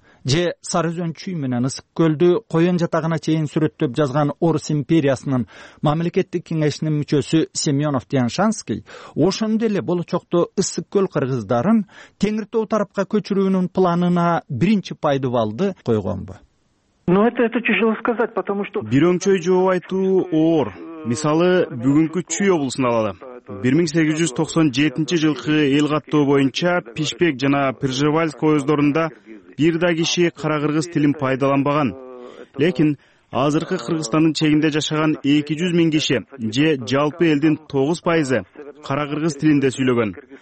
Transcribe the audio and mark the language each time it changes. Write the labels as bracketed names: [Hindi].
[Kyrgyz] Же Сары Өзөн Чүй менен Ысык Көлдү Коен жатагына чейин сүрөттөп жазган Орус империясынын мамлекеттик кеңешинин мүчөсү Семенов Тияншанский ошондой эле болочокто Ысык Көл кыргыздарын Теңиртоо тарапка көчүрүүнүн планына биринчи пайдубалды койгонбу? [Russian] Ну это тяжело сказать, потому что [Kyrgyz] бир өңчөй жооп айтуу оор. Мисалы, бүгүнкү Чүй облусун алалы. 1897 жылкы эл каттоо боюнча Пишпек жана Пржевальск оюздорунда бир да киши кара кыргыз тилин пайдаланбаган. Лекин азыркы Кыргызстандын чегинде жашаган 200 миң киши же жалпы элдин 9% кара кыргыз тилинде сүйлөгөн.